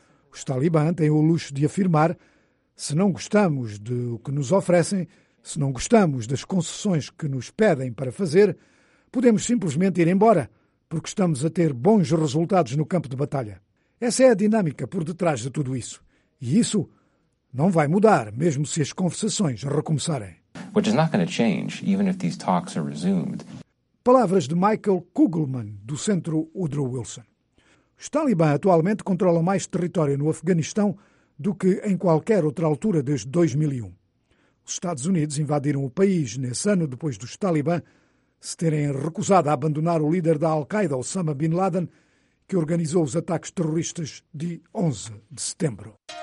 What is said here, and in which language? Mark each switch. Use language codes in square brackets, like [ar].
[pt] Os Talibã têm o luxo de afirmar: se não gostamos do que nos oferecem, se não gostamos das concessões que nos pedem para fazer, podemos simplesmente ir embora, porque estamos a ter bons resultados no campo de batalha. Essa é a dinâmica por detrás de tudo isso. E isso não vai mudar, mesmo se as conversações recomeçarem. [en] Which is not going to change, even if these talks are resumed. [pt] Palavras de Michael Kugelman, do Centro Woodrow Wilson. Os Talibã atualmente controlam mais território no Afeganistão do que em qualquer outra altura desde 2001. Os Estados Unidos invadiram o país nesse ano depois dos Talibã se terem recusado a abandonar o líder da Al-Qaeda, Osama Bin Laden, que organizou os ataques terroristas de 11 de setembro.